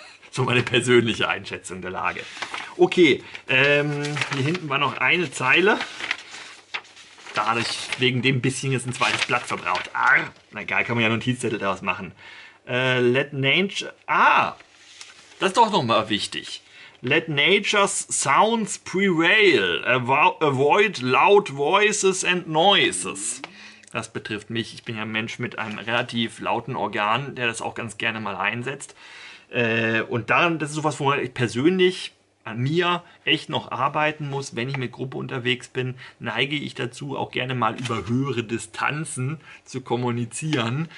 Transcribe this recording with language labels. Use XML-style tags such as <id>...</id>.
<de>So meine persönliche Einschätzung der Lage. Okay, hier hinten war noch eine Zeile. Da hatte ich wegen dem bisschen jetzt ein zweites Blatt verbraucht. Arr, na geil, kann man ja Notizzettel daraus machen.</de> <en>Let Nature.</en> <de>Ah! Das ist doch nochmal wichtig.</de> <en>Let nature's sounds prevail. Avoid loud voices and noises.</en> <de>Das betrifft mich. Ich bin ja ein Mensch mit einem relativ lauten Organ, der das auch ganz gerne mal einsetzt. Und dann, das ist sowas, wo ich persönlich an mir echt noch arbeiten muss, wenn ich mit Gruppe unterwegs bin, neige ich dazu, auch gerne mal über höhere Distanzen zu kommunizieren.</de>